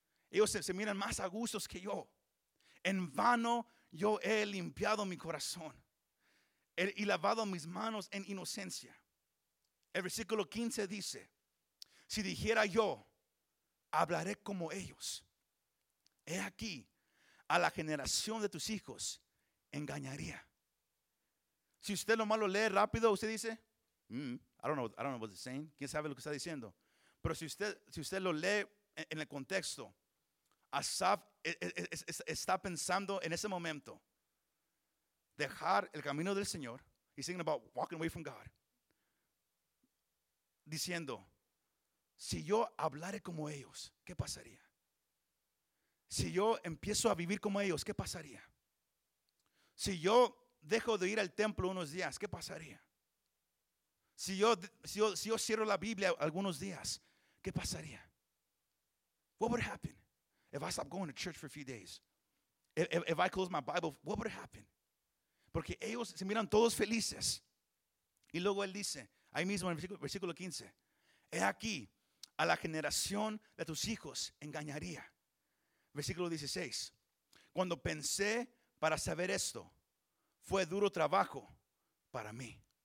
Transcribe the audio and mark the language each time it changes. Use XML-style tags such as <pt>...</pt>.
<es>Ellos se miran más a gustos que yo. En vano yo he limpiado mi corazón y lavado mis manos en inocencia. El versículo 15 dice: si dijera yo, hablaré como ellos. He aquí, a la generación de tus hijos engañaría. Si usted lo malo lee rápido, usted dice,</es> <en>I don't know what they're saying.</en> <es>¿Quién sabe lo que está diciendo? Pero si usted lo lee en el contexto, Asaf está pensando en ese momento dejar el camino del Señor.</es> <en>He's thinking about walking away from God,</en> <es>diciendo, si yo hablare como ellos, ¿qué pasaría? Si yo empiezo a vivir como ellos, ¿qué pasaría? Si yo dejo de ir al templo unos días, ¿qué pasaría? Si yo cierro la Biblia algunos días, ¿qué pasaría?</es> <en>What would happen if I stop going to church for a few days? If I close my Bible, what would happen?</en> <es>Porque ellos se miran todos felices. Y luego él dice, ahí mismo en el versículo 15, he aquí, a la generación de tus hijos engañaría. Versículo 16, cuando pensé para saber esto, fue duro trabajo para mí.</es>